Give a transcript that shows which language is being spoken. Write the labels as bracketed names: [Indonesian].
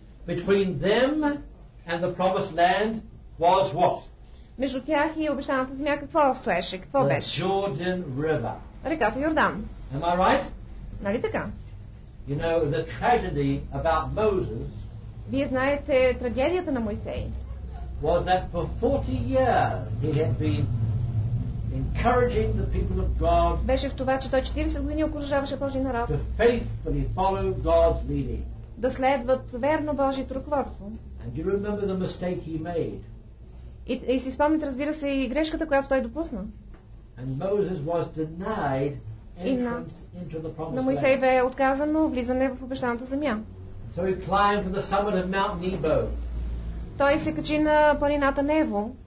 [English] Between them and the promised land was what? [Bulgarian] Между тях и обещаната земя какво стоеше? Какво беше? [English] Jordan River. [Bulgarian] Реката Йордан. [English] Am I right? [Bulgarian] Нали така? [English] You know the tragedy about Moses. [Bulgarian] Вие знаете трагедията на Моисей. [English] Was that for 40 years he had been encouraging the people of God? [Bulgarian] Беше в това, че той 40 години окуражаваше Божия народ. [English] To faithfully follow God's leading. [Bulgarian] Да следват верно Божието ръководство. [English] And you remember the mistake he made. [Bulgarian] И си спомнят, разбира се, и грешката, която той допусна. [English] And Moses was denied entrance into the promised land. [Bulgarian] На Моисей бе отказано влизане в обещаната земя. [English] So he climbed to the summit of Mount Nebo. [Bulgarian] Той се качи на планината Небо.